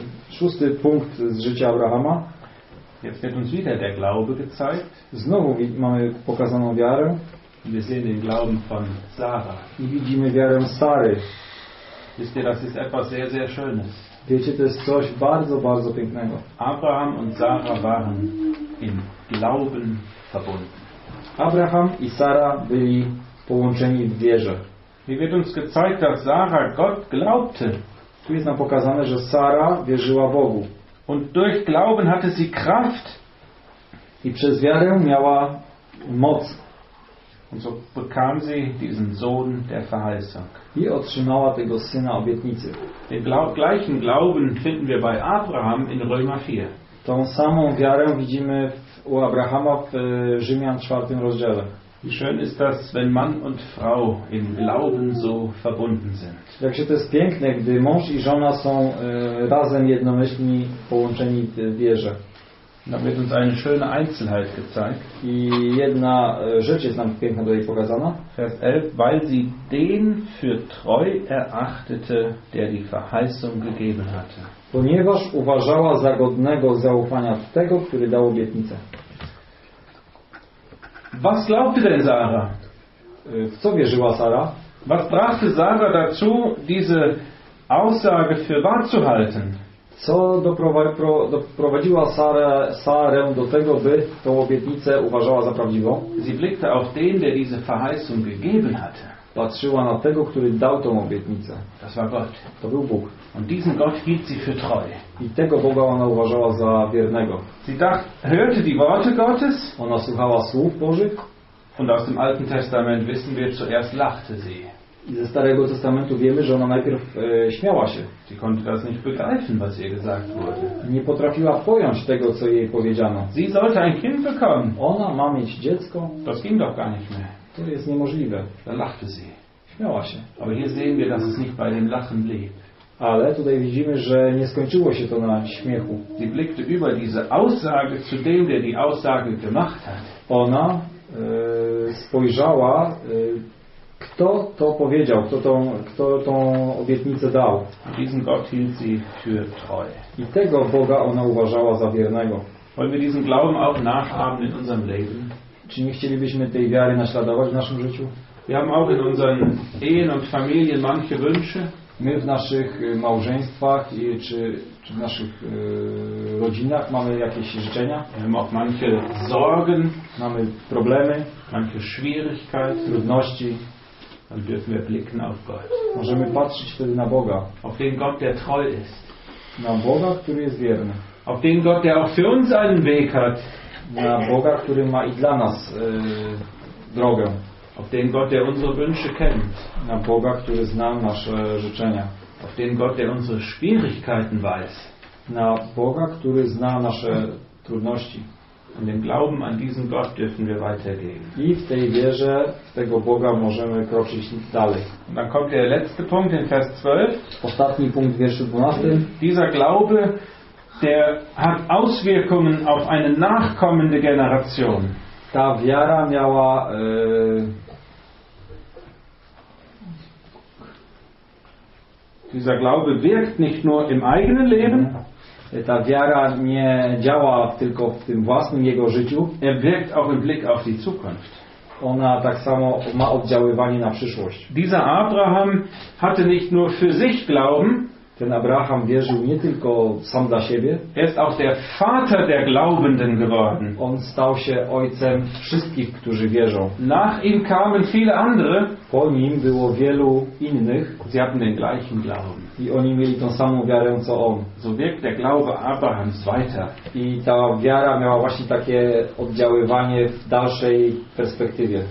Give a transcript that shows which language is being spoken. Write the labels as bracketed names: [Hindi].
[Polish] Szósty punkt z życia Abrahama. [German] Jetzt wird uns wieder der Glaube gezeigt. [Polish] Znowu mamy pokazaną wiarę. [German] Wir sehen den Glauben von Sarah. [Polish] I widzimy wiarę Sary. [German] Wisst ihr, das ist etwas sehr, sehr Schönes. [Polish] Wiecie, to jest coś bardzo, bardzo pięknego. [German] Abraham und Sarah waren im Glauben verbunden. [Polish] Abraham i Sara byli połączeni w wierze. [German] Hier wird uns gezeigt, dass Sarah Gott glaubte. [Polish] Tu jest nam pokazane, że Sara wierzyła Bogu. [German] Und durch Glauben hatte sie Kraft. [Polish] I przez wiarę miała moc. [German] Und so bekam sie diesen Sohn der Verheißung. [Polish] I otrzymała tego syna obietnicy. [German] Den gleichen Glauben finden wir bei Abraham in Römer 4. [Polish] Tą samą wiarę widzimy u Abrahama w Rzymian 4 rozdziale. [German] Wie schön ist das, wenn Mann und Frau im Glauben so verbunden sind. [Polish] Jak się to jest piękne, gdy mąż i żona są razem jednomyślni, połączeni w wierze. [German] Dann wird uns eine schöne Einzelheit gezeigt. [Polish] I jedna rzecz jest nam piękna tutaj pokazana. [German] Vers 11, weil sie den für treu erachtete, der die Verheißung gegeben hatte. [Polish] Ponieważ uważała za godnego zaufania tego, który dał obietnicę. [German] Was glaubte denn Sarah? [Polish] W co wierzyła Sara? [German] Was brachte Sarah dazu, diese Aussage für wahr zu halten? [Polish] Co doprowadziła Sarę do tego, by tą obietnicę uważała za prawdziwą? [German] Sie blickte auf den, der diese Verheißung gegeben hatte. [Polish] Patrzyła na tego, który dał tą obietnicę. [German] Das war Gott. [Polish] To był Bóg. [German] Und diesen Gott hielt sie für treu. [Polish] I tego Boga ona uważała za wiernego. [German] Sie hörte die Worte Gottes. [Polish] Ona słuchała słów Bożych. [German] Und aus dem Alten Testament wissen wir, zuerst lachte sie. [Polish] I ze Starego Testamentu wiemy, że ona najpierw śmiała się. [German] Sie konnte das nicht begreifen, was ihr gesagt wurde. [Polish] Nie potrafiła pojąć tego, co jej powiedziano. [German] Sie sollte ein Kind bekommen. [Polish] Ona ma mieć dziecko. [German] Das ging doch gar nicht mehr. [Polish] To jest niemożliwe. [German] Dann lachte sie. [Polish] Śmiała się. [German] Aber hier sehen wir, dass es nicht bei dem Lachen blieb. [Polish] Ale tutaj widzimy, że nie skończyło się to na śmiechu. [German] Sie blickte über diese Aussage zu dem, der die Aussage gemacht hat. [Polish] Ona spojrzała, kto to powiedział, kto tą obietnicę dał. [German] Diesen Gott hielt sie für treu. [Polish] I tego Boga ona uważała za wiernego. [German] Wollen wir diesen Glauben auch nachahmen in unserem Leben? [Polish] Czy nie chcielibyśmy tej wiary naśladować w naszym życiu? [German] Wir haben auch in unseren Ehen und Familien manche Wünsche. [Polish] My w naszych małżeństwach i czy w naszych rodzinach mamy jakieś życzenia. [German] Manche Sorgen. [Polish] Mamy problemy. [German] Manche Schwierigkeiten. [Polish] Trudności. [German] Dann dürfen wir blicken auf Gott. [Polish] Możemy patrzeć wtedy na Boga. [German] Auf den Gott, der treu ist. [Polish] Na Boga, który jest wierny. [German] Auf den Gott, der auch für uns einen Weg hat. [Polish] Na Boga, który ma i dla nas drogę. [German] Auf den Gott, der unsere Wünsche kennt. [Polish] Na Boga, który zna nasze życzenia. [German] Auf den Gott, der unsere Schwierigkeiten weiß. [Polish] Na Boga, który zna nasze trudności. [German] Und den Glauben an diesen Gott dürfen wir weitergeben. [Polish] I w tej wierze, w tego Boga możemy kroczyć dalej. [German] Und dann kommt der letzte Punkt in Vers 12. [Polish] Ostatni punkt w wierszu 12. [German] Dieser Glaube, der hat Auswirkungen auf eine nachkommende Generation. [Polish] Ta wiara miała du [German] dieser Glaube wirkt nicht nur im eigenen Leben. [Polish] Ta wiara nie działa tylko w tym własnym jego życiu. [German] Er wirkt auch im Blick auf die Zukunft. [Polish] Ona tak samo ma oddziaływanie na przyszłość. [German] Dieser Abraham hatte nicht nur für sich Glauben. [Polish] Ten Abraham wierzył nie tylko sam dla siebie. [German] Er ist auch der Vater der Glaubenden geworden. [Polish] On stał się ojcem wszystkich, którzy wierzą. [German] Nach ihm kamen viele andere. [Polish] Po nim było wielu innych. [German] Sie hatten den gleichen Glauben. [Polish] I oni mieli tą samą wiarę, co on. [German] So wirkt der Glaube Abrahams weiter. [Polish] I ta wiara miała właśnie takie oddziaływanie w dalszej perspektywie.